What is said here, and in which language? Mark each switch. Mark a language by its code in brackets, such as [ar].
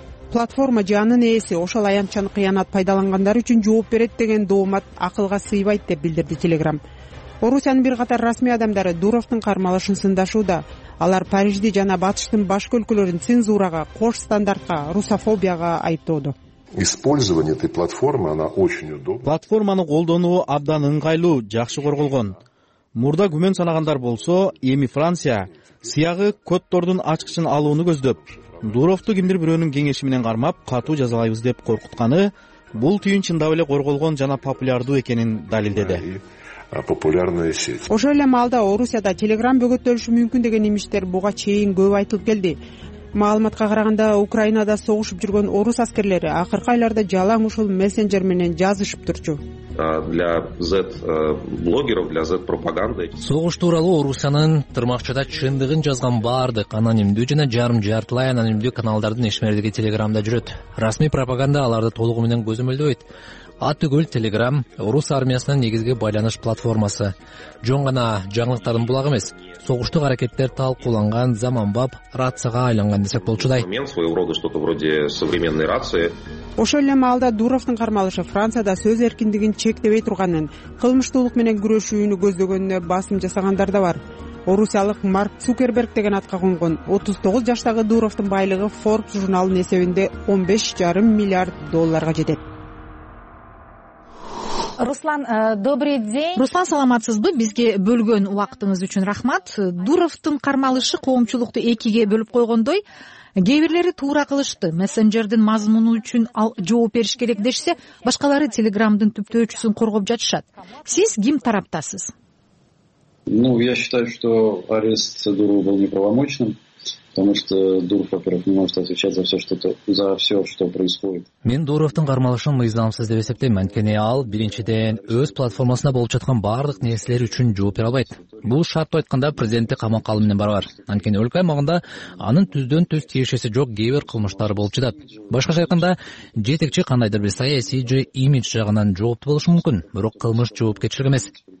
[ky] Платформа же анын ээси ошол аянтчан кыянат пайдалангандар үчүн жооп берет деген доомат акылга сыйбайт деп билдирди Телеграм. Орусиянын бир катар расмий адамдары Дуровтун кармалышын сындашууда. Алар Парижди жана Батыштын башка өлкөлөрүн цензурага, кош стандартка, русофобияга айыптоодо. [ru] Использование этой платформы, она очень удобна. [ky] Платформаны колдонуу абдан ыңгайлуу, жакшы корголгон. Мурда күмөн санагандар болсо, эми Франция сыягы коддордун ачкычын алууну көздөп, Дуровту кимдир бирөөнүн кеңеши менен кармап, катуу жазалайбыз деп коркутканы бул түйүн чындап эле корголгон жана популярдуу экенин далилдеди. [ru] Популярная сеть. [ky] Ошол эле маалда Орусияда Телеграм бөгөттөлүшү мүмкүн деген имиштер буга чейин көп айтылып келди. Маалыматка караганда Украинада согушуп жүргөн орус аскерлери акыркы айларда жалаң ушул мессенджер менен жазышып турчу. [ru] Для Z-блогеров, для Z-пропаганды. [ky] Согуш тууралуу Орусиянын тырмакчада чындыгын жазган баардык анонимдүү жана жарым-жартылай анонимдүү каналдардын ишмердиги Телеграмда жүрөт. Расмий пропаганда аларды толугу менен көзөмөлдөбөйт. Атүгүл Телеграм орус армиясынын негизги байланыш платформасы. Жөн гана жаңылыктардын булагы эмес, согуштук аракеттер талкууланган заманбап рацияга айланган десек болчудай. Ошол эле маалда Дуровтун кармалышы Францияда сөз эркиндигин чектебей турганын, кылмыштуулук менен күрөшүүнү көздөгөнүнө басым жасагандар да бар. Орусиялык Марк Цукерберг деген атка конгон 39 жаштагы Дуровтун байлыгы Forbes журналынын эсебинде 15,5 миллиард долларга жетет. [ru] Руслан, добрый день. [ky] Руслан, саламатсызбы? Бизге бөлгөн убактыңыз үчүн рахмат. Дуровтун кармалышы коомчулукту экиге бөлүп койгондой, кээ бирлери туура кылышты. Мессенджердин мазмуну үчүн ал жооп бериш керек дешсе, башкалары Телеграмдын түптөөчүсүн коргоп жатышат. Сиз ким тараптасыз? [ru] Я считаю, что арест Дурова был неправомочным. потому что Дуров, во-первых, не может отвечать за все, что происходит. [ky] Мен Дуровтун кармалышын мыйзамсыз деп эсептейм, анткени ал биринчиден өз платформасында болуп жаткан бардык нерселер үчүн жооп бере албайт. Бул шартты айтканда президентти камакка алуу менен барабар. Анткени өлкө аймагында анын түздөн түз тиешеси жок кээ бир кылмыштар болуп жатат. Башкача айтканда, жетекчи кандайдыр бир саясий же имидж жагынан жоопту болушу мүмкүн, бирок кылмыш жоопкерчилик эмес.